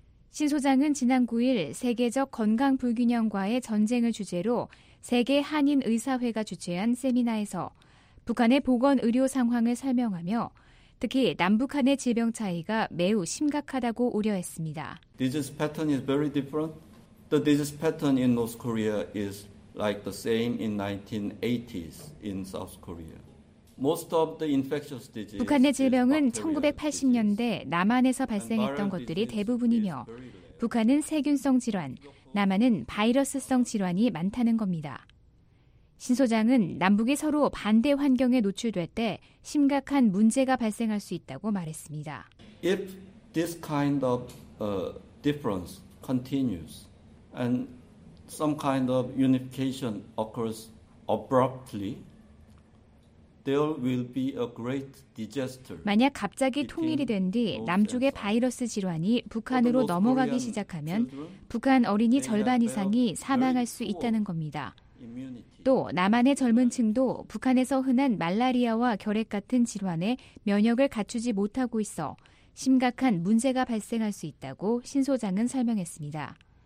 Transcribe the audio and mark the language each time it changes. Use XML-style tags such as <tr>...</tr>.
<ko>신 소장은 지난 9일 세계적 건강 불균형과의 전쟁을 주제로 세계 한인의사회가 주최한 세미나에서 북한의 보건의료 상황을 설명하며 특히 남북한의 질병 차이가 매우 심각하다고 우려했습니다.</ko> <en>Disease pattern is very different. The disease pattern in North Korea is like the same in 1980s in South Korea.</en> <ko>북한의 질병은 1980년대 남한에서 발생했던 것들이 대부분이며 북한은 세균성 질환, 남한은 바이러스성 질환이 많다는 겁니다. 신 소장은 남북이 서로 반대 환경에 노출될 때 심각한 문제가 발생할 수 있다고 말했습니다.</ko> <en>If this kind of difference continues and some kind of unification occurs abruptly, there will be a great disaster.</en> <ko>만약 갑자기 통일이 된 뒤 남쪽의 바이러스 질환이 북한으로 넘어가기 시작하면 북한 어린이 절반 이상이 사망할 수 있다는 겁니다. 또 남한의 젊은 층도 북한에서 흔한 말라리아와 결핵 같은 질환에 면역을 갖추지 못하고 있어 심각한 문제가 발생할 수 있다고 신 소장은 설명했습니다.</ko>